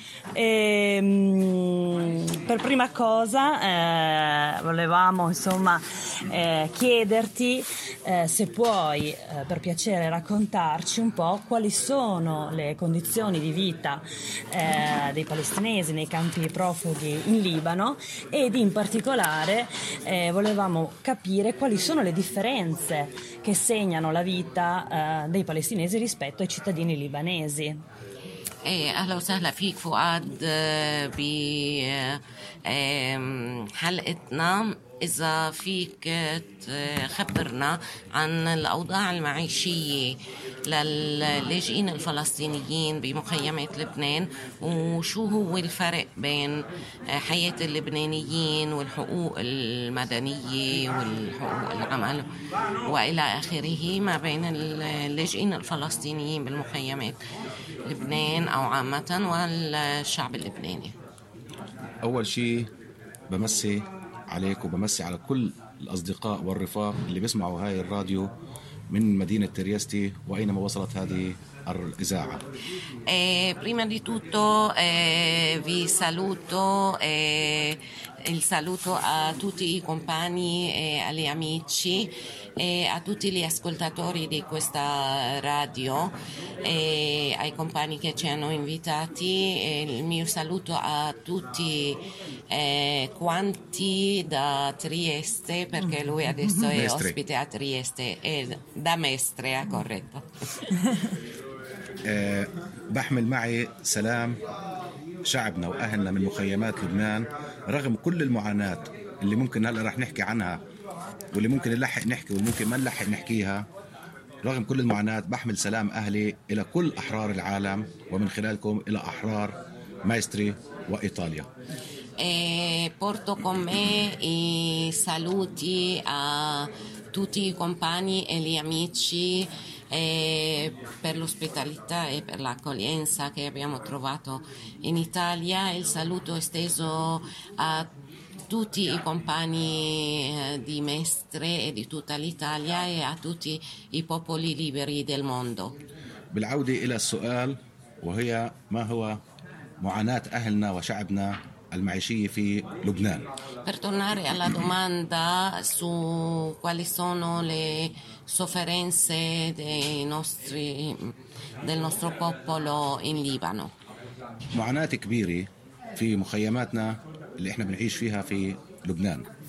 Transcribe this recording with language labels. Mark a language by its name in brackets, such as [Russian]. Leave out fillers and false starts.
[Italian] Per prima cosa volevamo insomma chiederti se puoi per piacere raccontarci un po' quali sono le condizioni di vita dei palestinesi nei campi profughi in Libano e in particolare volevamo capire quali sono le differenze che segnano la vita dei palestinesi rispetto ai cittadini libanesi. [Arabic] أهلا وسهلا فيك فؤاد بحلقتنا، إذا فيك تخبرنا عن الأوضاع المعيشية للاجئين الفلسطينيين بمخيمات لبنان وشو هو الفرق بين حياة اللبنانيين والحقوق المدنية والحقوق العمل وإلى آخره ما بين اللاجئين الفلسطينيين بالمخيمات لبنان أو عامة والشعب اللبناني. أول شيء بمسي عليك وبمسي على كل الأصدقاء والرفاق اللي بيسمعوا هاي الراديو من مدينة ترياستي وأينما وصلت هذه الإذاعة. [Italian] Prima di tutto vi saluto il saluto a tutti i compagni e agli amici e a tutti gli ascoltatori di questa radio e ai compagni che ci hanno invitati. Il mio saluto a tutti quanti da Trieste, perché lui adesso è ospite a Trieste e da Mestre, corretto. [Arabic] بحمل معي سلام شعبنا وأهلنا من مخيمات لبنان رغم كل المعاناة اللي ممكن هلأ رح نحكي عنها واللي ممكن نلحق نحكي والممكن ما نلحق نحكيها. رغم كل المعاناة بحمل سلام أهلي إلى كل أحرار العالم ومن خلالكم إلى أحرار مايستري وإيطاليا. [Italian] Porto con me i saluti a tutti i compagni e gli amici e per l'ospitalità e per l'accoglienza che abbiamo trovato in Italia. Il saluto esteso a tutti i compagni di Mestre e di tutta l'Italia e a tutti i popoli liberi del mondo. [Arabic] بالعودة إلى السؤال وهي ما هو معاناة أهلنا وشعبنا المعيشي في لبنان. [Italian] Per tornare alla domanda su quali sono le sofferenze dei nostri del nostro popolo in Libano. [Arabic] معاناة كبيرة في مخيماتنا اللي إحنا بنعيش فيها في لبنان.